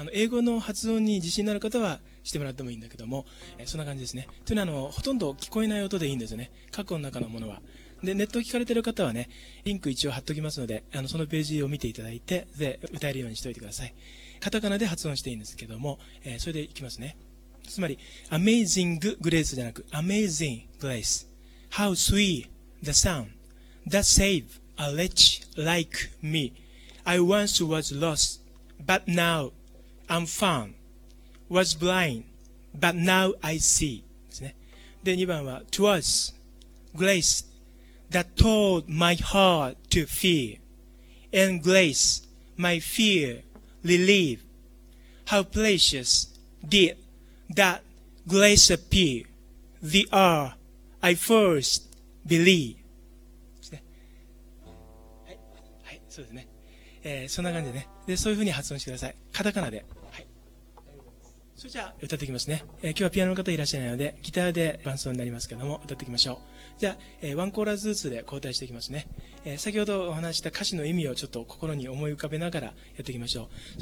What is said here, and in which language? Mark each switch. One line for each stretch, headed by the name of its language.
Japanese: 英語の発音に自信のある方はしてもらってもいいんだけども、そんな感じですね。というのは、ほとんど聞こえない音でいいんですよね。カッコの中のものは。で、ネットを聞かれている方はね、リンク一応貼っときますので、そのページを見ていただいて、で、歌えるようにしておいてください。カタカナで発音していいんですけども、それでいきますね。つまり、Amazing Grace じゃなく、Amazing Grace。
English: How sweet the sound that saved a wretch like me. I once was lost, but now I'm found. Was blind, but now I see.
Japanese: ですね。で、2番は、'Twas
English: Grace. That told my heart to fear, and grace my fear relieved. How precious did that grace appear, the hour I first believed.
Japanese: はい、はい、そうですね。そんな感じでね。で、そういうふうに発音してください。カタカナで。はい。それじゃあ、歌っていきますね。今日はピアノの方いらっしゃらないので、ギターで伴奏になりますけども、歌っていきましょう。じゃあ、ワンコーラスずつで交代していきますね。先ほどお話した歌詞の意味をちょっと心に思い浮かべながらやっていきましょう。